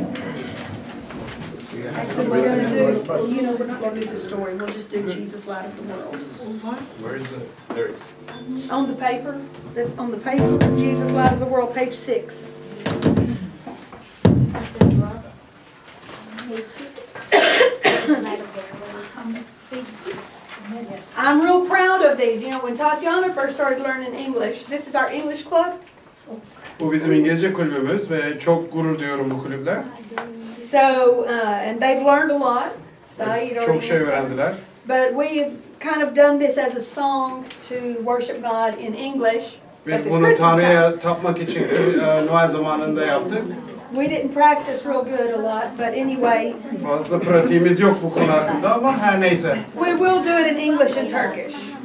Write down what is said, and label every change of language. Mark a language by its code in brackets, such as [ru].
[en] We're going to do the story. We'll just do Jesus, Light of the World. Where is it? There it is. On the paper. That's on the paper. Jesus, Light of the World, page six. I'm real proud of these. You know, when Tatiana first started learning English, this is our English club. [tr] Bu bizim İngilizce kulübümüz ve çok gurur duyuyorum bu kulüple. [en] So, and they've learned a lot. [tr] Çok şey öğrendiler. [en] But we've kind of done this as a song to worship God in English. [tr] Biz bunu Tanrı'ya tapmak için Noel zamanında yaptık. [en] We didn't practice real good a lot, but anyway. [tr] Fazla pratiğimiz yok bu konu hakkında ama her neyse. [en] We will do it in English and Turkish.